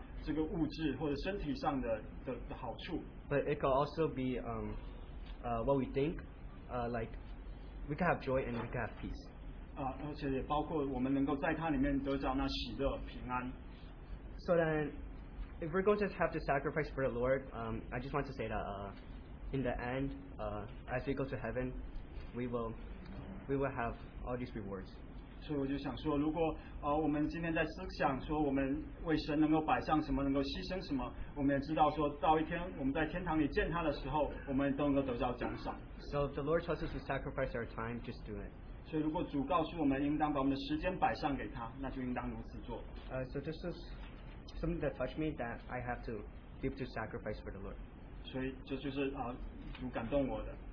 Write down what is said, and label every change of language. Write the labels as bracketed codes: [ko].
[zh] 他的祝福也不只是这个物质或者身体上的好处。 [en] But it could also be what we think, like we can have joy and we can have peace. [zh] 而且也包括我们能够在他里面得着那喜乐平安。 [en] So then, if we're going to have to sacrifice for the Lord, I just want to say that in the end, as we go to heaven, we will have all these rewards. [zh] 所以我就想说，如果我们今天在思想说我们为神能够摆上什么，能够牺牲什么，我们也知道说到一天我们在天堂里见他的时候，我们都能够得到奖赏。 [en] So if the Lord tells us to sacrifice our time, just do it. [zh] 所以如果主告诉我们应当把我们的时间摆上给他，那就应当如此做。 [en] So this is something that touched me that I have to give to sacrifice for the Lord. [zh] 所以这就是 主感动我的。